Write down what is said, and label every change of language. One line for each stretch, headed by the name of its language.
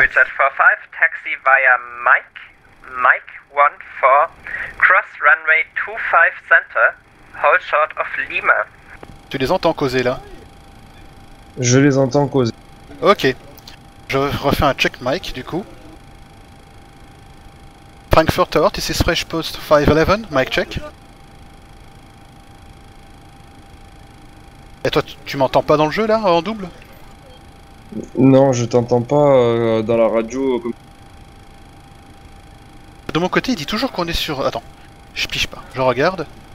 English: Deutsche 45, taxi via Mike 14, cross runway 25 center, hold short of Lima.
French: Tu les entends causer là? Je les entends causer. Ok. Je refais un check mic du coup.
English: Frankfurt Tower, this is French Post 511, mic check.
French: Et toi, tu m'entends pas dans le jeu là, en double? Non, je t'entends pas dans la radio. De mon côté, il dit toujours qu'on est sur... Attends, je piche pas, je regarde.